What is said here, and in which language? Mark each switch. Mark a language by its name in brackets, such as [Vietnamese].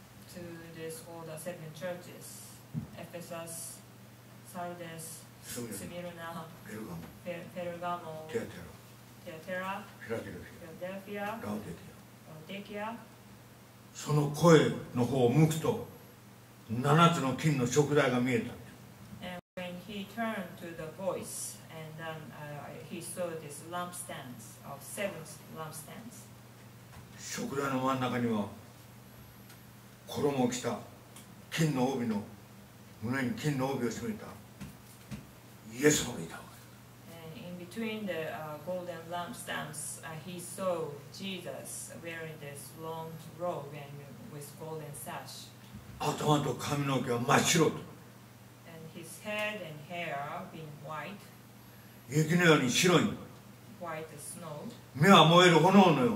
[English] To these all the seven churches: Ephesus, Sardis, Smyrna, Pergamum, Thyatira, Philadelphia, Laodicea. [Japanese] その声の方を向くと、七つの金の燭台が見えた。 [English] And when he turned to the voice, and then, he saw this lampstands of seven lampstands. [Japanese] 燭台の真ん中には衣を着た金の帯の胸に金の帯を締めたイエス様がいた。 [English] In between the golden lampstands, he saw Jesus wearing this long robe and with golden sash. [Japanese] 頭と髪の毛は真っ白と。 [English] And his head and hair being white. [Japanese] 雪のように白い。 [English] White as snow. [Japanese] 目は燃える炎のような。